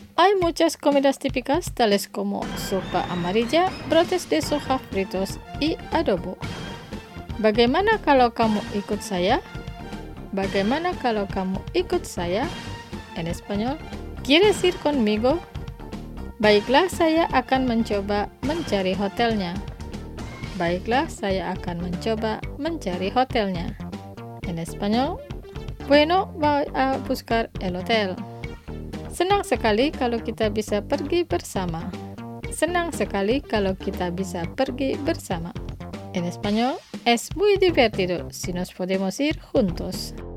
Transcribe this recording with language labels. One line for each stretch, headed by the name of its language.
Spanish: Hay muchas comidas típicas, tales como sopa amarilla, brotes de soja fritos y adobo.
Indonesian: ¿Bagaimana kalau kamu ikut saya? ¿Bagaimana kalau kamu ikut saya?
Spanish: En español, ¿quieres ir conmigo?
Indonesian: Baiklah, saya akan mencoba mencari hotelnya. Baiklah, saya akan mencoba mencari hotelnya.
Spanish: En español, bueno, voy a buscar el hotel.
Indonesian: Senang sekali kalau kita bisa pergi bersama. Senang sekali kalau kita bisa pergi bersama.
Spanish: En español, es muy divertido si nos podemos ir juntos.